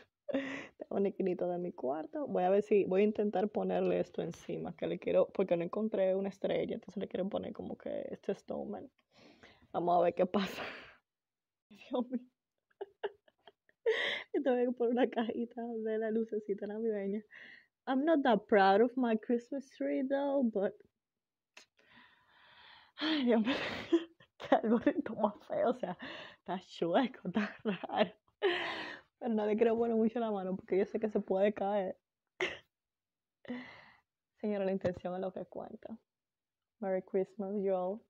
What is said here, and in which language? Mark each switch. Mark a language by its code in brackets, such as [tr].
[es] Tengo un equinito de mi cuarto. Voy a ver si voy a intentar ponerle esto encima, que le quiero, porque no encontré una estrella, entonces le quiero poner como que este snowman. Vamos a ver qué pasa. Dios mío. Entonces voy a poner una cajita de la lucecita navideña. [en] I'm not that proud of my Christmas tree though, but. [es] Ay, Dios mío. Qué arbolito más feo, o sea, está chueco, está raro. Pero no le quiero poner mucho la mano porque yo sé que se puede caer. Señora, la intención es lo que cuenta. [en] Merry Christmas, y'all.